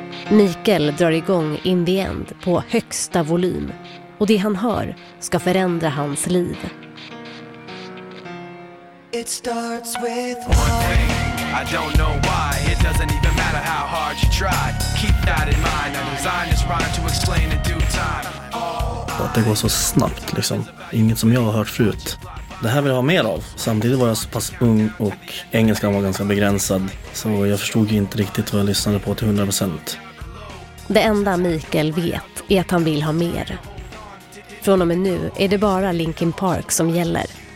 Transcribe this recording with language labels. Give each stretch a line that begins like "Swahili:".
Swedish: Mikael drar igång In the End på högsta volym. Och det han hör ska förändra hans liv.
English: It starts with one thing, I don't know why, it doesn't even matter. matter how hard you try. Keep that in mind. I designed this rhyme to explain in due time.
Swedish: Att det går så snabbt liksom. Inget som jag har hört förut. Det här vill jag ha mer av. Samtidigt var jag så pass ung och engelskan var ganska begränsad. Så jag förstod inte riktigt vad jag lyssnade på till 100%. Det enda Mikael vet är att han vill ha mer. Från och med nu är det bara Linkin Park som gäller.